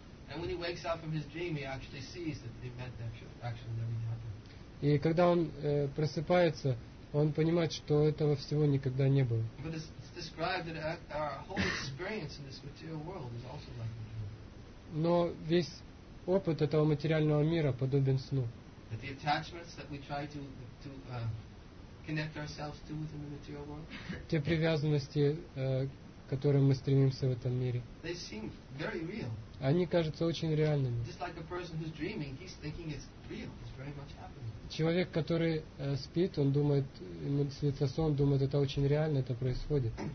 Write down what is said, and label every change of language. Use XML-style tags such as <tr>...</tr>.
<en>And when he wakes up from his dream, he actually sees that the event actually never happened.</en> <ru>И когда он просыпается, он понимает, что этого всего никогда не было.</ru> <en>But it's described that our whole experience in this material world is also like that.</en> <ru>Но весь опыт этого материального мира подобен сну.</ru> <en>that the attachments that we try to connect ourselves to within the material world,</en> <ru>те привязанности, которым мы стремимся в этом мире,</ru> <en>they seem very real.</en> <ru>Они кажутся очень реальными.</ru> <en>Just like a person who's dreaming, he's thinking it's real. It's very much happening.</en> <ru>Человек, который спит, он думает, ему снится сон, думает, это очень реально, это происходит.</ru>